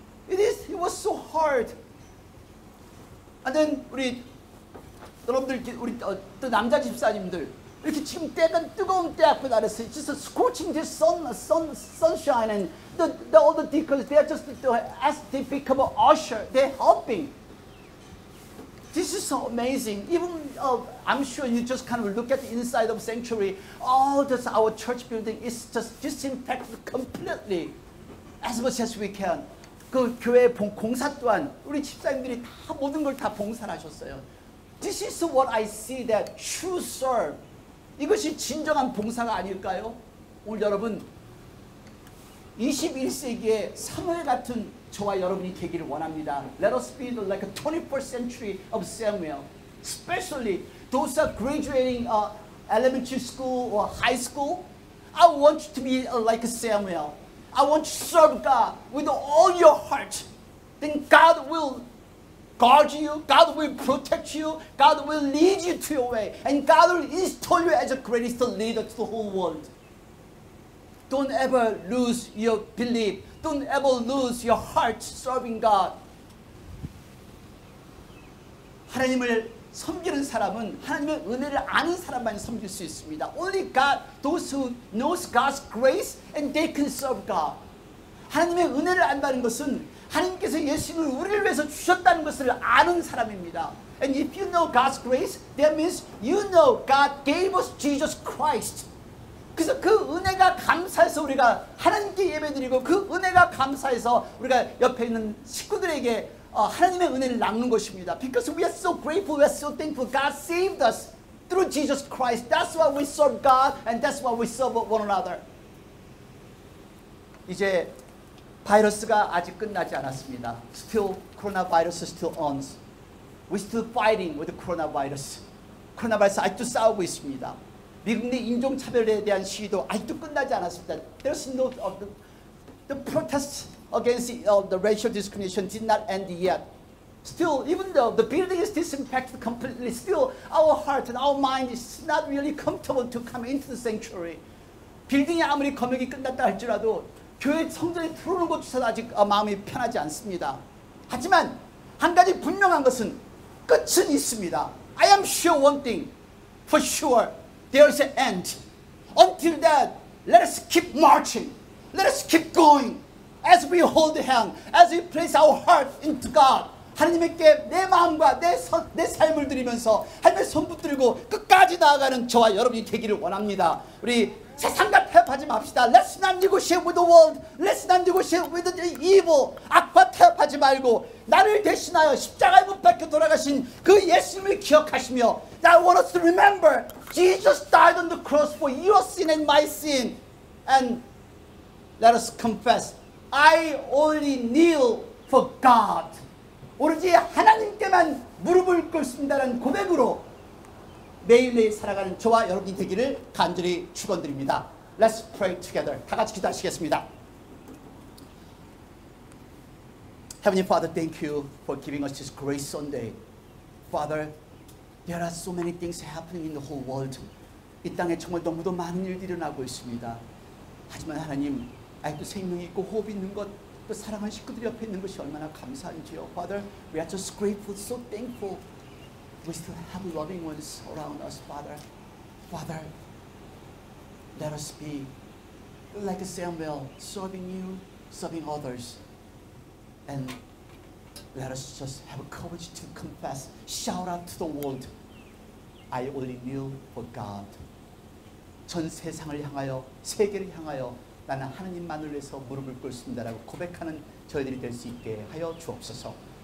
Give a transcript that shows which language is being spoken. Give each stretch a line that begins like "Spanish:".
English: It was so hard. And then
Korean: 우리 여러분들 우리 또 남자 집사님들 이렇게 지금 때가 뜨거운 때 앞에 나와서
English: just scorching the sunshine and the all the deacons they are just as they become an usher they're helping. This is so amazing. Even I'm sure you just kind of look at the inside of sanctuary. All this our church building is just disinfected completely as much as we can.
Korean: 그 교회 공사 또한 우리 집사님들이 다 모든 걸 다 봉사하셨어요.
English: This is what I see that true serve.
Korean: 이것이 진정한 봉사가 아닐까요? 오늘 여러분 21세기에 사무엘 같은 저와 여러분이 되기를 원합니다.
English: Let us be like a 21st century of Samuel. Especially those are graduating elementary school or high school. I want you to be like a Samuel. I want to serve God with all your heart. Then God will guard you. God will protect you. God will lead you to your way. And God will install you as the greatest leader to the whole world. Don't ever lose your belief. Don't ever lose your heart serving God.
Korean: 하나님을 섬기는 사람은 하나님의 은혜를 아는 사람만 섬길 수 있습니다.
English: Only God, those who knows God's grace and they can serve God.
Korean: 하나님의 은혜를 안다는 것은 하나님께서 예수님을 우리를 위해서 주셨다는 것을 아는 사람입니다.
English: And if you know God's grace, that means you know God gave us Jesus Christ.
Korean: 그래서 그 은혜가 감사해서 우리가 하나님께 예배드리고 그 은혜가 감사해서 우리가 옆에 있는 식구들에게 하나님의 은혜를 나누는 것입니다.
English: Because we are so grateful, we are so thankful God saved us through Jesus Christ. That's why we serve God and that's why we serve one another.
Korean: 이제 바이러스가 아직 끝나지 않았습니다.
English: Still, coronavirus is still on. We're still fighting with the coronavirus.
Korean: 코로나바이러스 아직도 싸우고 있습니다. 미국 내 인종차별에 대한 시위도 아직도 끝나지 않았습니다.
English: There's no of the protests against the racial discrimination did not end yet. Still, even though the building is disinfected completely, still our heart and our mind is not really comfortable to come into the sanctuary.
Korean: 빌딩이 아무리 검역이 끝났다 할지라도 교회 성전에 들어오는 것조차 아직 마음이 편하지 않습니다. 하지만 한 가지 분명한 것은 끝은 있습니다.
English: I am sure one thing, for sure, there's an end. Until that, let us keep marching. Let us keep going. As we hold hand, as we place our heart into God.
Korean: 하나님께 내 마음과 내 삶을 드리면서 하나님의 손 붙들고 끝까지 나아가는 저와 여러분이 되기를 원합니다. 우리 세상과 타협하지 맙시다.
English: Let's not negotiate with the world. Let's not negotiate with the evil.
Korean: 악과 타협하지 말고 나를 대신하여 십자가에 못 박혀 돌아가신 그 예수님을 기억하시며
English: I want us to remember Jesus died on the cross for your sin and my sin. And let us confess I only kneel for God.
Korean: 오로지 하나님께만 무릎을 꿇습니다라는 고백으로 매일매일 살아가는 저와 여러분이 되기를 간절히 축원드립니다.
English: Let's pray together.
Korean: 다 같이 기도하시겠습니다.
English: Heavenly Father, thank you for giving us this great Sunday. Father, there are so many things happening in the whole world.
Korean: 이 땅에 정말 너무도 많은 일이 일어나고 있습니다. 하지만 하나님, 아직도 생명이 있고 호흡이 있는 것, 또 사랑하는 식구들 옆에 있는 것이 얼마나 감사한지요.
English: Father, we are just grateful, so thankful. We still have loving ones around us, Father. Father, let us be like Samuel, serving you, serving others. And let us just have courage to confess, shout out to the world, I only kneel for God.
Korean: 전 세상을 향하여, 세계를 향하여 나는 하느님만을 위해서 무릎을 꿇습니다라고 고백하는 저희들이 될 수 있게 하여 주옵소서.